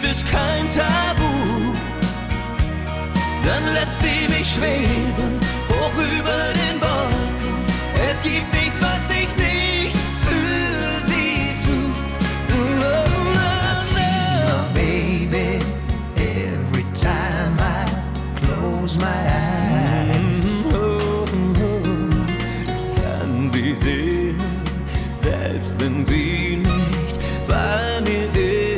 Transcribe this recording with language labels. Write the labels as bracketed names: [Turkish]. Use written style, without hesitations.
[German] Kein Tabu, dann lässt sie mich schweben, hoch über den Wolken. Es gibt nichts, was ich nicht für sie tu. Oh, [English] I see my baby every time I close my eyes. [German] Oh, oh, kann sie sehen, selbst wenn sie nicht bei mir ist.